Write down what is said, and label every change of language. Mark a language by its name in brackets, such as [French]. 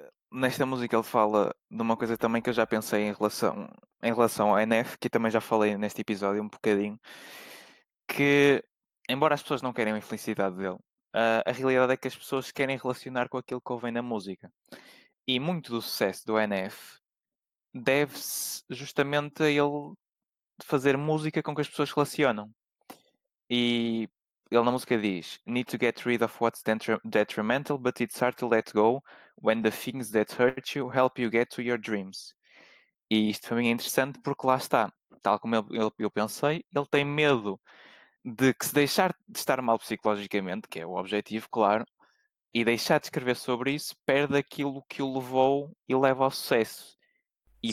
[Portuguese] Nesta música ele fala de uma coisa também que eu já pensei em relação ao NF, que também já falei neste episódio um bocadinho, que embora as pessoas não queiram a infelicidade dele, a realidade é que as pessoas querem relacionar com aquilo que ouvem na música. E muito do sucesso do NF deve-se justamente a ele fazer música com que as pessoas relacionam. E ele na música diz: [English] Need to get rid of what's detrimental, but it's hard to let go when the things that hurt you help you get to your dreams. [Portuguese] E isto para mim é interessante porque lá está, tal como eu pensei, ele tem medo de que se deixar de estar mal psicologicamente, que é o objetivo, claro, e deixar de escrever sobre isso, perde aquilo que o levou e leva ao sucesso. E